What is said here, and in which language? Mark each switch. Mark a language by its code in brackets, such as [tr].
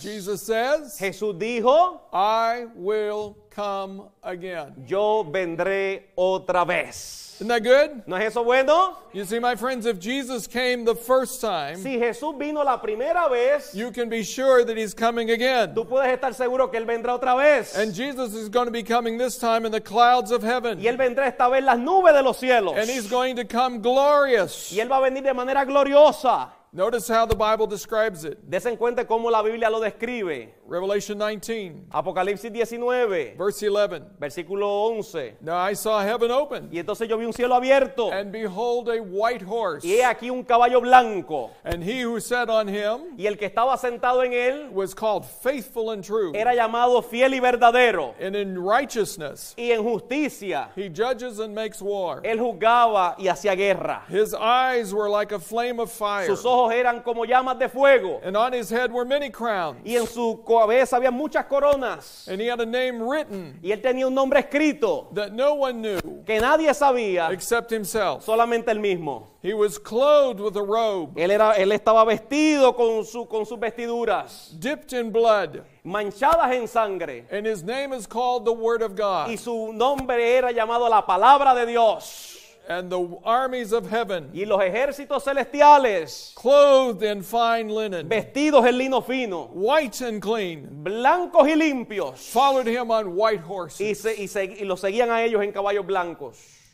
[en] Jesus says, [es] Jesús dijo, [en] I will come again. [es] Yo vendré otra vez. [en] Isn't that good? [es] ¿No es eso bueno? [en] You see, my friends, if Jesus came the first time, [es] si Jesús vino la primera vez, [en] you can be sure that he's coming again. [es] Tú puedes estar seguro que él vendrá otra vez. [en] And Jesus is going to be coming this time in the clouds of heaven. [es] Y él vendrá esta vez las nubes de los cielos. [en] And he's going to come glorious. [es] Y él va a venir de manera gloriosa. [en] Notice how the Bible describes it. [es] Dese cuenta cómo la Biblia lo describe. [en] Revelation 19. [es] Apocalipsis 19. [en] Verse 11. [es] Versículo 11. [en] Now I saw heaven open. [es] Y entonces yo vi un cielo abierto. [en] And behold a white horse. [es] Y he aquí un caballo blanco. [en] And he who sat on him. [es] Y el que estaba sentado en él. [en] Was called faithful and true. [es] Era llamado fiel y verdadero. [en] And in righteousness. [es] Y en justicia. [en] He judges and makes war. [es] Él juzgaba y hacía guerra. [en] His eyes were like a flame of fire. [es] Sus ojos eran como llamas de fuego. [en] And on his head were many crowns. [es] Y en su cabeza había muchas coronas. [en] And he had a name written. [es] Y él tenía un nombre escrito. [en] That no one knew. [es] Que nadie sabía. [en] Except himself. [es] Solamente él mismo. [en] He was clothed with a robe. [es] Él estaba vestido con sus vestiduras. [en] Dipped in blood. [es] Manchadas en sangre. [en] And his name is called the Word of God. [es] Y su nombre era llamado la Palabra de Dios. [en] And the armies of heaven, [es] y los ejércitos celestiales, [en] clothed in fine linen, [es] vestidos en lino fino, [en] white and clean, [es] blancos y limpios, [en] followed him on white horses. [es] Y los seguían a ellos en caballos blancos.